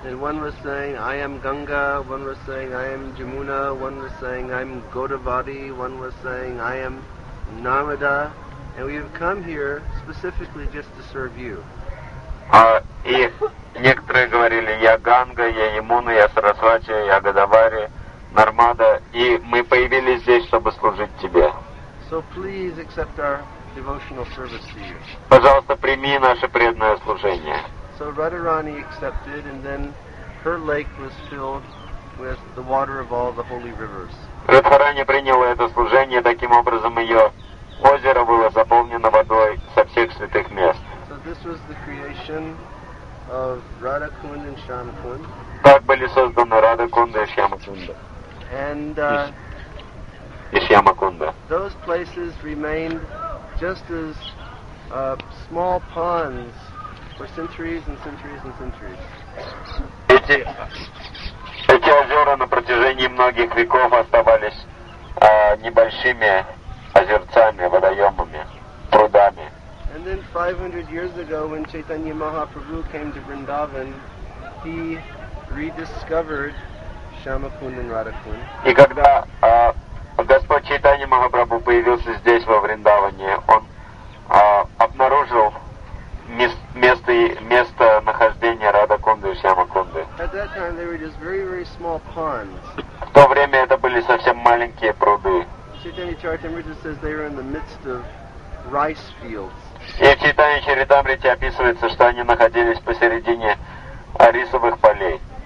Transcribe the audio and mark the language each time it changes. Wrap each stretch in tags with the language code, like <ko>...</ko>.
<en>And one was saying, I am Ganga, one was saying, I am Jamuna, one was saying, I am Godavari, one was saying, I am Narada, and we have come here specifically just to serve you.</en> <ru>И некоторые говорили, я Ганга, я Ямуна, я Сарасвати, я Годавари, Нармада, и мы появились здесь, чтобы служить тебе.</ru> <en>So please accept our devotional service to you.</en> <ru>Пожалуйста, прими наше преданное служение.</ru> <en>So Radharani accepted, and then her lake was filled with the water of all the holy rivers.</en> <ru>Радхарани приняла это служение, таким образом ее озеро было заполнено водой со всех святых мест.</ru> <en>This was the creation of Radha Kund and Shyam Kund.</en> <ru>Так были созданы Радха Кунда и Шьяма Кунда.</ru> <en>And</en> <ru>Шьяма Кунда.</ru> <en>Those places remained just as small ponds for centuries and centuries and centuries.</en> <ru>Эти озера на протяжении многих веков оставались небольшими озерцами, водоемами, прудами.</ru> <en>And then 500 years ago, when Chaitanya Mahaprabhu came to Vrindavan, he rediscovered Shyama Kunda and Radha Kunda.</en> <ru>И когда Господь Чайтанья Махапрабху появился здесь во Вриндаване, он обнаружил место нахождения Радха Кунды и Шьяма Кунды.</ru> <en>At that time, they were just very, very small ponds.</en> <ru>В то время это были совсем маленькие пруды.</ru> <en>Chaitanya Charitamrita says they were in the midst of rice fields.</en> <ru>И в Чайтанья Чаритамрите описывается, что они находились посередине рисовых полей.</ru>